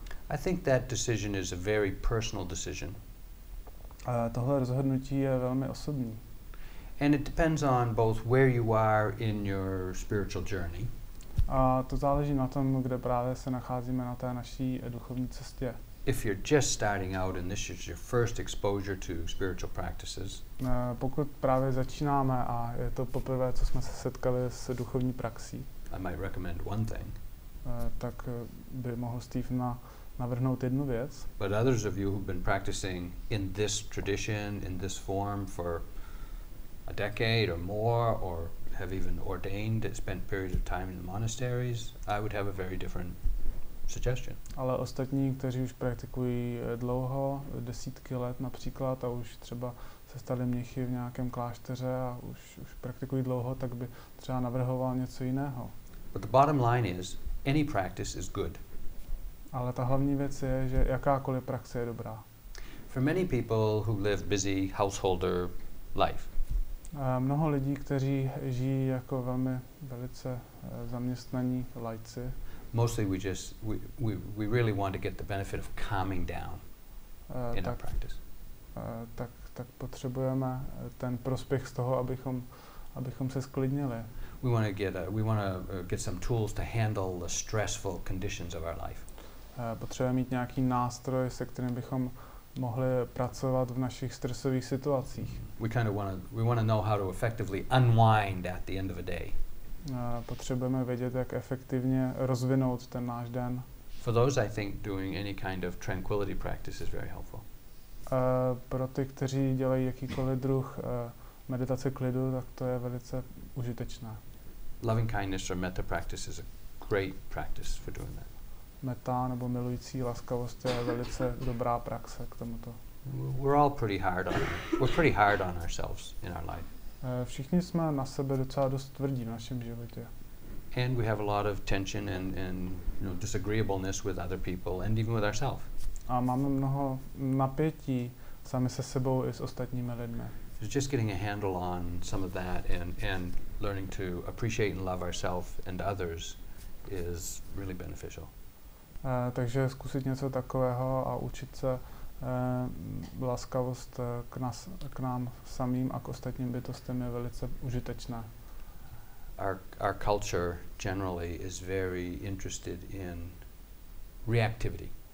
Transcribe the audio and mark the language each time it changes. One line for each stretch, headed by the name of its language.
English: I think that decision is a very personal decision.
Czech: Tohle rozhodnutí je velmi osobní.
English: And it depends on both where you are in your spiritual journey.
Czech: A to záleží na tom, kde právě se nacházíme na té naší duchovní cestě.
English: If you're just starting out and this is your first exposure to spiritual practices.
Czech: Pokud právě začínáme a je to poprvé, co jsme se setkali s duchovní praxí.
English: I might recommend one thing.
Czech: Tak by mohl Steve navrhnout jednu věc.
English: But others of you who've been practicing in this tradition, in this form for a decade or more, or have even ordained, spent periods of time in the monasteries, I would have a very different suggestion.
Czech: Ale ostatní, kteří už praktikují dlouho, desítky let například, a už třeba se stali mnichy v nějakém klášteře a už praktikují dlouho, tak by třeba navrhoval něco jiného.
English: But the bottom line is, any practice is good.
Czech: Ale ta hlavní věc je, že jakákoliv praxe je dobrá.
English: For many people who live busy householder life,
Czech: Mnoho lidí, kteří žijí jako velmi velice zaměstnaní laici.
English: Mostly we just we really want to get the benefit of calming down in our practice.
Czech: Tak potřebujeme ten prospěch z toho, abychom se sklidnili.
English: We want to get some tools to handle the stressful conditions of our life.
Czech: Potřebujeme mít nějaký nástroj, se kterým bychom mohli pracovat v našich stresových situacích.
English: We want to know how to effectively unwind at the end of a day.
Czech: Potřebujeme vědět, jak efektivně rozvinout ten náš den.
English: For those, I think doing any kind of tranquility practice is very helpful.
Czech: Pro ty, kteří dělají jakýkoliv druh meditace klidu, tak to je velice užitečné.
English: Loving kindness or metta practice is a great practice for doing that.
Czech: Metta nebo milující laskavost je velice dobrá praxe k tomuto.
English: We're pretty hard on ourselves in our life.
Czech: Všichni jsme na sebe docela dost tvrdí v našem životě.
English: And we have a lot of tension and you know, disagreeableness with other people and even with ourselves.
Czech: A máme mnoho napětí sami se sebou i s ostatními lidmi.
English: It's just getting a handle on some of that and learning to appreciate and love ourselves and others is really beneficial.
Czech: Takže zkusit něco takového a učit se laskavost k nám samým a k ostatním bytostem je velice užitečné.
English: Our culture generally is very interested in reactivity.